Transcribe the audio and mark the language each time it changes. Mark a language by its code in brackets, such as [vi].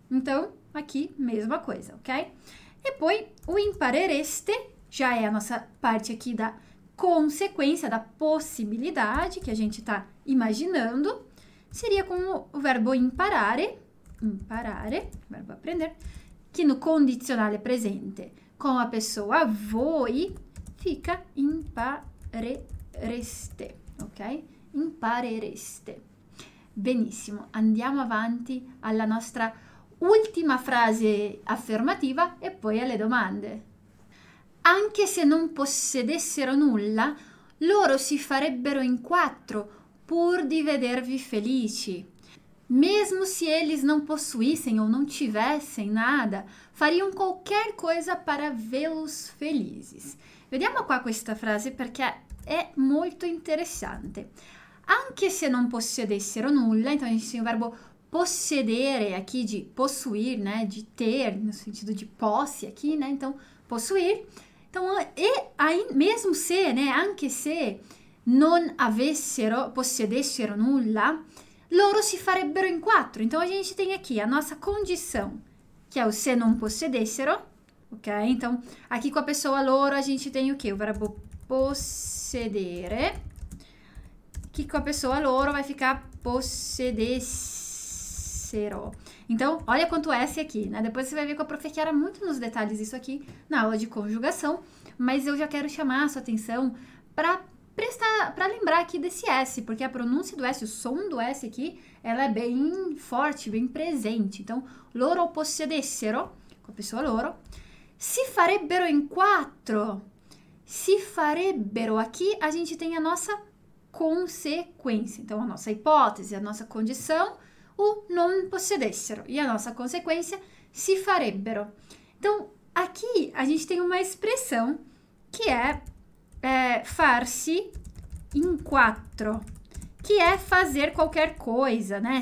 [pt] Então, aqui, mesma coisa, ok? [it] E poi, [pt] o imparereste já é a nossa parte aqui da consequência, da possibilidade que a gente está imaginando, seria como o verbo imparare, imparare, verbo aprender. Que no condicionale presente com a pessoa voi fica imparereste, ok? [it] Imparereste. Benissimo, andiamo avanti alla nostra ultima frase affermativa e poi alle domande. Anche se non possedessero nulla, loro si farebbero in quattro pur di vedervi felici. [pt] Mesmo se eles não possuíssem ou não tivessem nada, fariam qualquer coisa para vê-los felizes. [it] Vediamo qua questa frase perché è molto interessante. Anche se non possedessero nulla, [pt] então a gente tem o verbo possedere aqui de possuir, né? De ter, no sentido de posse aqui, né? Então, possuir. Então, e aí, mesmo se, né? [it] Anche se non avessero, possedessero nulla, loro si farebbero in quattro. [pt] Então a gente tem aqui a nossa condição que é o se não possedessero, ok? Então, aqui com a pessoa loro a gente tem o quê? O verbo possedere, que com a pessoa loro vai ficar possedessero. Então, olha quanto S aqui, né? Depois você vai ver com a profe Chiara muito nos detalhes isso aqui na aula de conjugação, mas eu já quero chamar a sua atenção para prestar, para lembrar aqui desse S, porque a pronúncia do S, o som do S aqui, ela é bem forte, bem presente. Então, loro possedessero, com a pessoa loro, [it] si farebbero in quattro. Si farebbero. [pt] Aqui a gente tem a nossa conseqüência. Então, a nossa hipótese, a nossa condição, o non possedessero. E a nossa conseqüência, [it] si farebbero. [pt] Então, aqui a gente tem uma expressão que é farsi in quattro, que é fazer qualquer coisa, né?